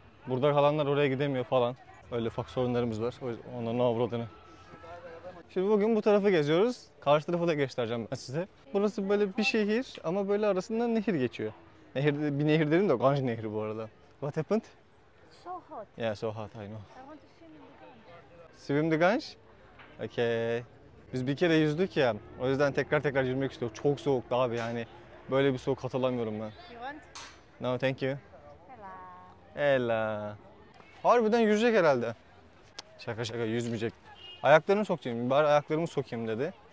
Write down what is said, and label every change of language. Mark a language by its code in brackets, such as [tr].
[tr] Burada kalanlar oraya gidemiyor falan. Öyle ufak sorunlarımız var. O yüzden onların avradını. Şimdi bugün bu tarafı geziyoruz. Karşı tarafı da göstereceğim ben size. Burası böyle bir şehir ama böyle arasından nehir geçiyor. Nehir, bir nehir dedim de Ganj nehri bu arada. [en] What happened? So hot. Yeah, so hot, I know. I want to swim in the Ganj. Swim the Ganj? Okay. [tr] Biz bir kere yüzdük ya, o yüzden tekrar yüzmek istiyorum. Çok soğuktu abi yani. Böyle bir soğuk hatırlamıyorum ben. [en] You want? No, thank you. Hello. [tr] Harbiden yüzecek herhalde. Şaka yüzmeyecek. Ayaklarını sokayım, bari ayaklarımı sokayım dedi.